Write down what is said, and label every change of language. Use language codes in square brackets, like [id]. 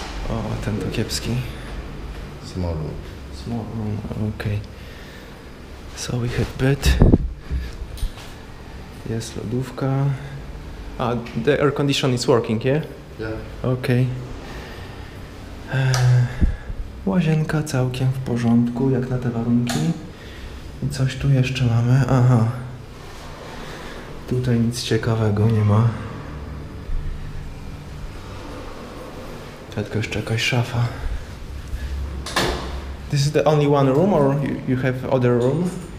[pl] O, ten to kiepski. [en] Small room. Small room, okay. So we have bed. [pl] Jest lodówka. [en] A, the air condition is working, yeah? Yeah. Okay. [pl] Łazienka całkiem w porządku, jak na te warunki. I coś tu jeszcze mamy. Aha. Tutaj nic ciekawego nie ma. Tylko jeszcze jakaś szafa. [en] This is the only one room or you have other room?